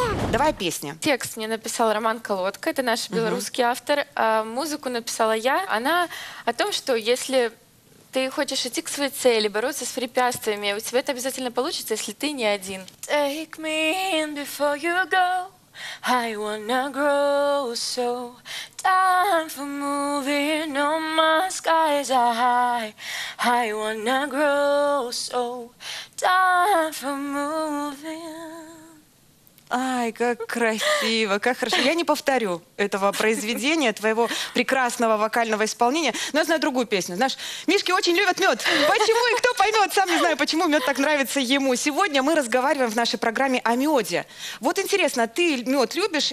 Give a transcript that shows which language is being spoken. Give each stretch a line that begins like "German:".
Russian: Давай песня. Текст мне написал Роман Колодко, это наш белорусский автор. А музыку написала я. Она о том, что если ты хочешь идти к своей цели, бороться с препятствиями, у тебя это обязательно получится, если ты не один.
English: Take me in before you go. I wanna grow, so time for moving on, my skies are high. I wanna grow, so time for moving.
Russian: Ай, как красиво, как хорошо. Я не повторю этого произведения, твоего прекрасного вокального исполнения, но я знаю другую песню. Знаешь, мишки очень любят мед. Почему и кто поймет? Сам не знаю, почему мед так нравится ему. Сегодня мы разговариваем в нашей программе о меде. Вот интересно, ты мед любишь?